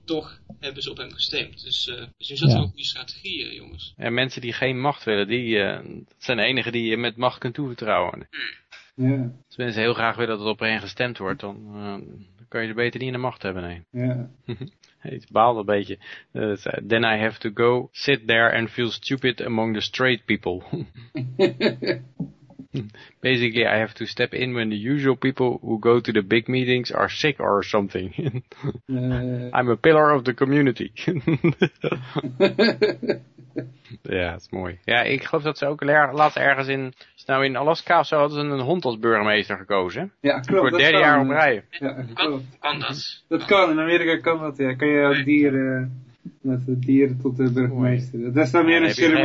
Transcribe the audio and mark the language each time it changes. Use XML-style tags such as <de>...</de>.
<nl>Toch hebben ze op hem gestemd. Dus je zat ook in die strategieën, jongens. En mensen die geen macht willen, die zijn de enigen die je met macht kunt toevertrouwen. Ja. Als mensen heel graag willen dat het op hen gestemd wordt, dan kan je ze beter niet in de macht hebben, nee. Ja. Het baalde een beetje.</nl> <en>Then I have to go sit there and feel stupid among the straight people. Basically, I have to step in when the usual people who go to the big meetings are sick or something. I'm a pillar of the community.</en> <nl>Ja, dat is mooi. Ja, ik geloof dat ze ook laatst ergens in, nou in Alaska of zo, hadden ze een hond als burgemeester gekozen. Ja, klopt. Voor het derde jaar op rij. Ja, klopt. Kan dat? Dat kan, in Amerika kan dat, ja. Kan je ook dieren, met dieren tot de burgemeester. Dat is dan meer een ceremonie.</nl>